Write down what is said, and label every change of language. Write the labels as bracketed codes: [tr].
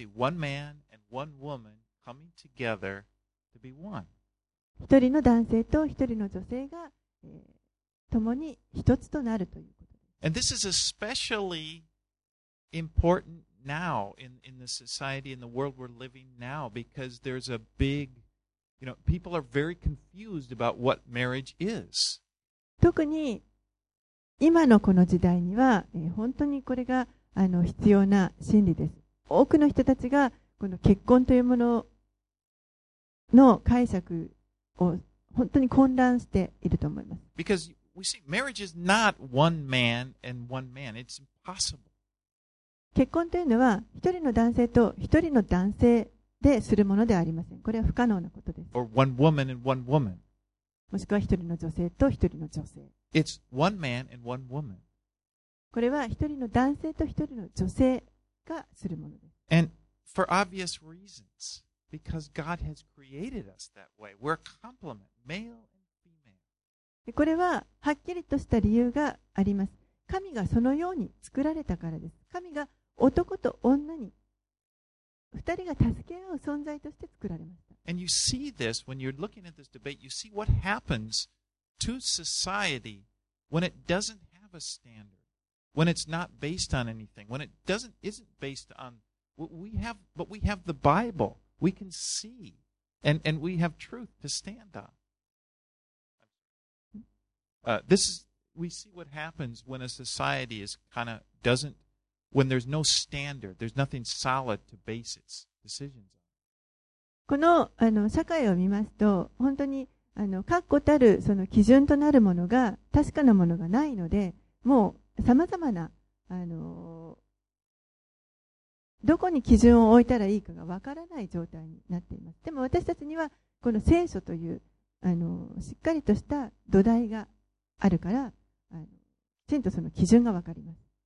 [en] We see one man and one woman. Coming together to be one. [ja] 一人の男性と一人の女性が、共に一つとなるということ。 [en] And this is especially important now in the society in the world we're living now because there's a big, you know, people are very confused about what marriage is. [ja] 特に今のこの時代には、本当にこれがあの必要な真理です。多くの人たちがこの結婚というものをの解釈を本当に混乱していると思います。 [en] Because we see marriage is not one man and one man. It's impossible. [ja] 結婚というのは一人の男性と一人の男性でするものではありません。これは不可能なことです。 [en] Or one woman and one woman. [ja] もしくは一人の女性と一人の女性。 [en] It's one man and one woman. [ja] これは一人の男性と一人の女性がするものです。 [en] And for obvious reasons. Because God has created us that way. We're a complement, male and female. [ja] これははっきりとした理由があります。神がそのように作られたからです。神が男と女に二人が助け合う存在として作られました。 [en] And you see this when you're looking at this debate. You see what happens to society when it doesn't have a standard, when it's not based on anything, when it doesn't isn't based on what we have, but we have the Bible. We can see, and we have truth to stand on. We see what happens when a society is kind of doesn't, when there's no standard, there's nothing solid to base its decisions on. [ja] この、あの、社会を見ますと、本当に、あの、確固たるその基準となるものが、確かなものがないので、もう、さまざまな、あの、どこに基準を置いたらいいかがわからない状態になっています。でも私たちにはこの聖書というあのしっかりとした土台があるから、あのきちんとその基準がわかります。